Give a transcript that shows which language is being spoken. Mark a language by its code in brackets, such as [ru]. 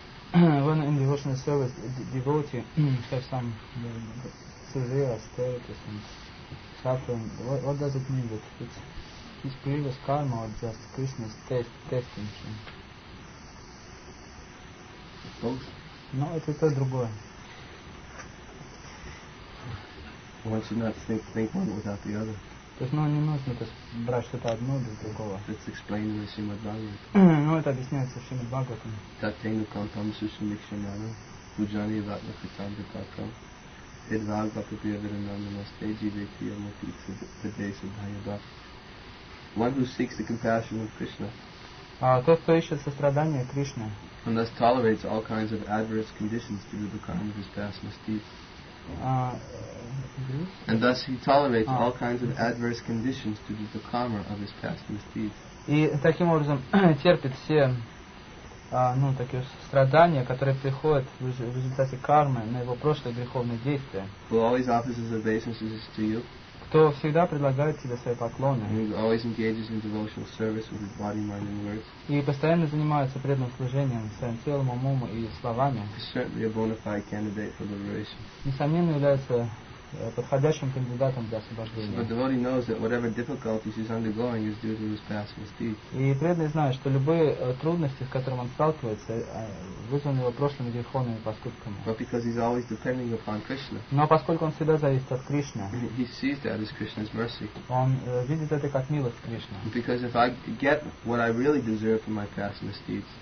[en] When in devotional service, devotee have some severe aspects and suffering. What does it mean? That it's his previous karma or just Krishna's testing him? Both? [ru] No, это то другое. [en] One should not think one without the other. [ru] То есть, не нужно брать что-то одно без другого. [en] It's explained in the Srimad Bhagavatam. [ru] Это объясняется в Srimad Bhagavatam. [sa] Tatenu kantam sushumikshanana bhujani vatna khatanda kakam. [en] One who seeks the compassion of Krishna. [ru] Тот, кто ищет сострадание Кришны. [en] And thus tolerates all kinds of adverse conditions due to the karma of his past misdeeds. And thus he tolerates all kinds of adverse conditions due to the karma of his past misdeeds. [ru] И таким образом терпит все такие страдания, которые приходят в результате кармы на его прошлые греховные действия. [en] Who always offers his obeisances to you. [ru] Кто всегда предлагает тебе свои поклоны. [en] Who always engages in devotional service with his body, mind and words. [ru] И постоянно занимается преданным служением своим телом, умом и словами. [en] He's certainly a bona fide candidate for liberation. [ru] Несомненно является подходящим кандидатом для освобождения. [en] But the devotee knows that whatever difficulties he's undergoing is due to his past misdeeds. [ru] И преданный знает, что любые трудности, с которыми он сталкивается, вызваны его прошлыми греховными поступками. [en] But because he's always depending upon Krishna. [ru] Но поскольку он всегда зависит от Кришны. [en] He sees that as Krishna's mercy. [ru] Он видит это как милость Кришны. [en] Because if I get what I really deserve for my past misdeeds.